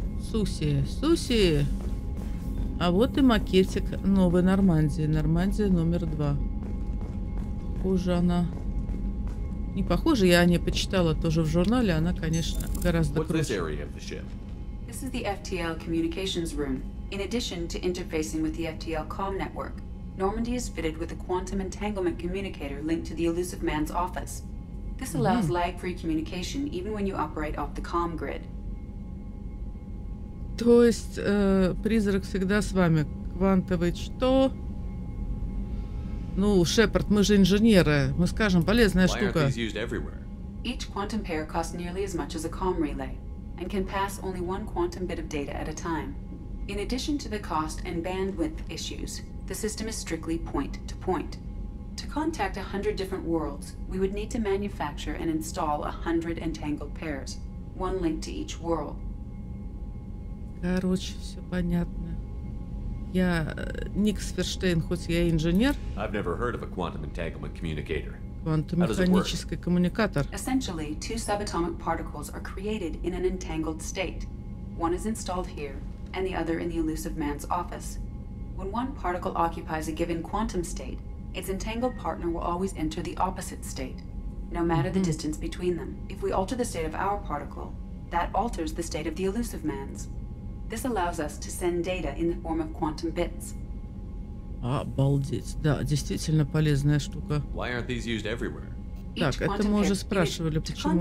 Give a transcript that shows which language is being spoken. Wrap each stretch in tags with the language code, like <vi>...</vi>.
<ru>Суси. А вот и макетик новой Нормандии. Нормандия номер 2. Похоже она... Не похоже, я о ней почитала тоже в журнале. Она, конечно, гораздо круче.</ru> <en>This is the FTL communications room. In addition to interfacing with the FTL comm network, Normandy is fitted with a quantum entanglement communicator linked to the Elusive Man's office. This allows lag-free communication even when you operate off the comm grid.</en> <ru>То есть призрак всегда с вами. Квантовый что? Ну, Шепард, мы же инженеры. Мы скажем, полезная штука.</ru> <en>Each quantum pair costs nearly as much as a comm relay and can pass only one quantum bit of data at a time. In addition to the cost and bandwidth issues, the system is strictly point to point. To contact 100 different worlds, we would need to manufacture and install 100 entangled pairs, one link to each world.</en> <ru>Короче, все понятно. Я Ник Сферштейн, хоть я и инженер.</ru> <en>I've never heard of a quantum entanglement communicator.</en> <ru>Квантомеханический коммуникатор.</ru> <en>Essentially, two subatomic particles are created in an entangled state. One is installed here, and the other in the Elusive Man's office. When one particle occupies a given quantum state, Its entangled partner will always enter the opposite state, no matter the distance between them. If we alter the state of our particle, that alters the state of the elusive man's. This allows us to send data in the form of quantum bits.</en> <ru>Обалдеть. Да, действительно полезная штука.</ru> <en>Why aren't these used everywhere?</en> <ru>Так, это мы уже спрашивали, почему.</ru>